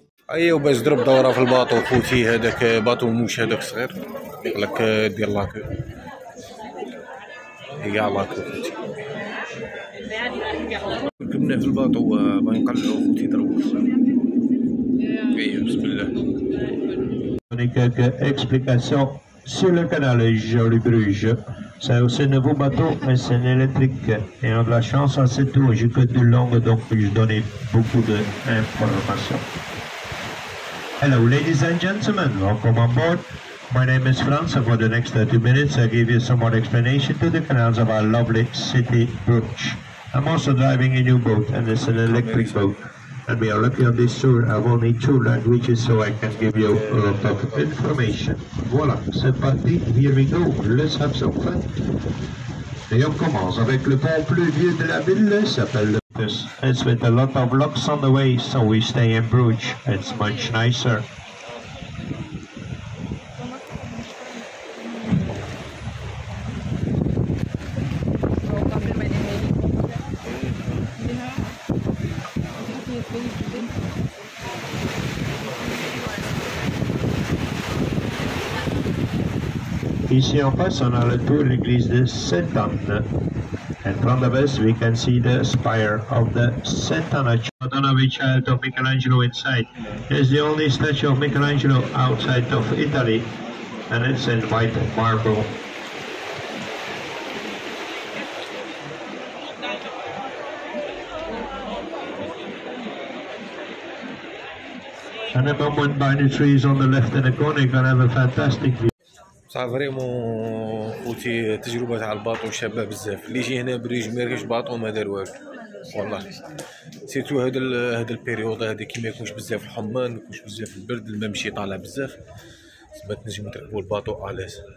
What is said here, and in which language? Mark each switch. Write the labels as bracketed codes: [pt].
[ar] ايوا باش ضرب دوره في الباطو خوتي، هذاك باطو موش هذاك صغير، يقلك دير لاك يا لاك خوتي. ركبنا في الباطو باغي نقلعو خوتي ضربو. ايوا بسم الله. [fr] هناك اكسبليكاسيون سور لو كانال جولي بروج. C'est aussi un nouveau bateau, mais c'est un électrique. Et on a de la chance à ce tour. J'ai que deux langues, donc je donnais beaucoup d'informations. [en] Hello, ladies and gentlemen, welcome on board. My name is Franz, and for the next 30 minutes, I'll give you some more explanation to the canals of our lovely city, Bruges. I'm also driving a new boat, and it's an electric boat. And we are lucky on this tour. I've only two languages, so I can give you a lot of information. [fr] Voilà, c'est parti, [en] here we go. Let's have some fun. [fr] Et on commence avec le pont plus vieux de la ville, s'appelle le Bruges. [en] It's with a lot of locks on the way, so we stay in Bruges. It's much nicer. [fr] Ici en face, on a le tour de l'église de Sainte-Anne. [en] And from the west, we can see the spire of the Sainte-Anne Church. Madonna with child of Michelangelo inside. It's the only statue of Michelangelo outside of Italy. And it's in white marble. And a moment by the trees on the left in the corner, you can have a fantastic view. [ar] صافي فريمون خوتي تجربة تاع الباطو شابة بزاف. اللي يجي هنا بريج ميركش باطو ما دار والو والله، سيتو هاد هاد البيريود هادي كيما يكونش بزاف الحمان، يكونش بزاف البرد، الما مشي طالع بزاف، تما تنجمو تركبو الباطو اليس.